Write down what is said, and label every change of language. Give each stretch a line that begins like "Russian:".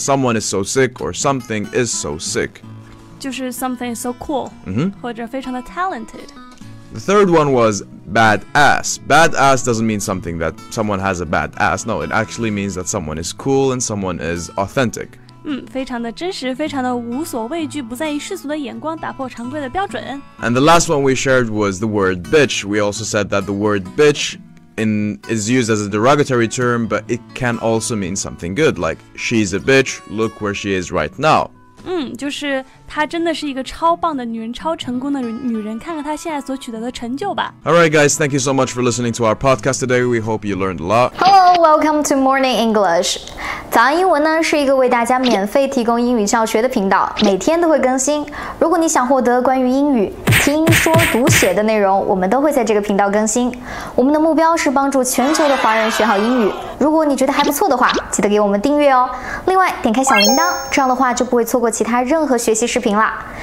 English: someone is so sick or something is so sick 就是 something is so cool、 mm-hmm.
Chinese: 或者非常的 talented
English: The third one was badass Badass doesn't mean something that someone has a bad ass No, it actually means that someone is cool and someone is authentic
Chinese: 非常的真实非常的无所畏惧不在意世俗的眼光打破常规的标准
English: And the last one we shared was the word bitch We also said that the word bitch is used as a derogatory term But it can also mean something good Like she's a bitch, look where she is right now
Chinese: 就是她真的是一个超棒的女人超成功的女人看看她现在所取得的成就吧
English: Alright guys, thank you so much for listening to our podcast today We hope you learned a lot Hello, welcome to Morning English
Chinese: 早安英文呢是一个为大家免费提供英语教学的频道每天都会更新如果你想获得关于英语听说读写的内容我们都会在这个频道更新我们的目标是帮助全球的华人学好英语如果你觉得还不错的话记得给我们订阅哦另外点开小铃铛这样的话就不会错过其他任何学习视频了